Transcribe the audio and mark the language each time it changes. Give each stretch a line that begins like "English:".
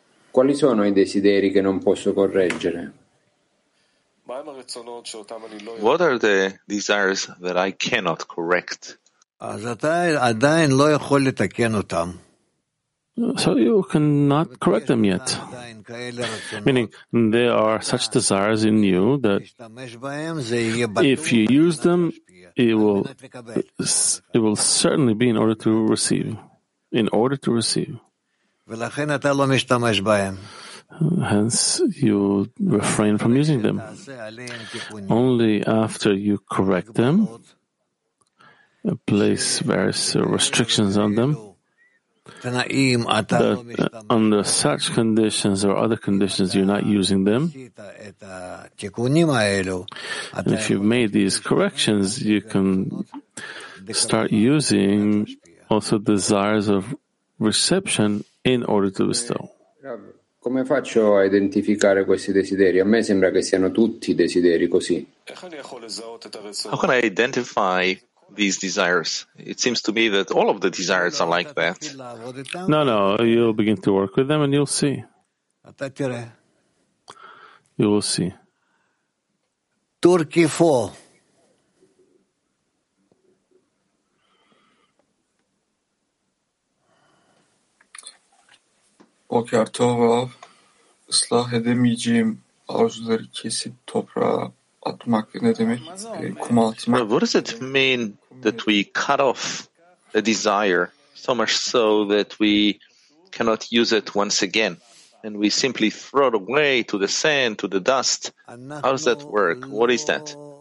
Italian: Quali sono i desideri che non posso correggere?
English: What are the desires that I cannot correct? So you cannot correct them yet. Meaning, there are such desires in you that if you use them, it will certainly be in order to receive. In order to receive. Hence, you refrain from using them. Only after you correct them, place various restrictions on them, that under such conditions or other conditions you're not using them. And if you've made these corrections, you can start using also desires of reception in order to bestow.
Italian: Come faccio a identificare questi desideri? A me sembra che siano tutti desideri così.
English: How can I identify these desires? It seems to me that all of the desires are like that. No, no, you'll begin to work with them and you'll see. You will see. Turki 4.
Hebrew: Boker Tov, Rav.
Turkish: Islah edemeyeceğim arzuları kesip toprağa atmak ne demek? Kuma atmak.
English: What does it mean that we cut off a desire so much so that we cannot use it once again? And we simply throw it away to the sand, to the dust. How does that work? What is that?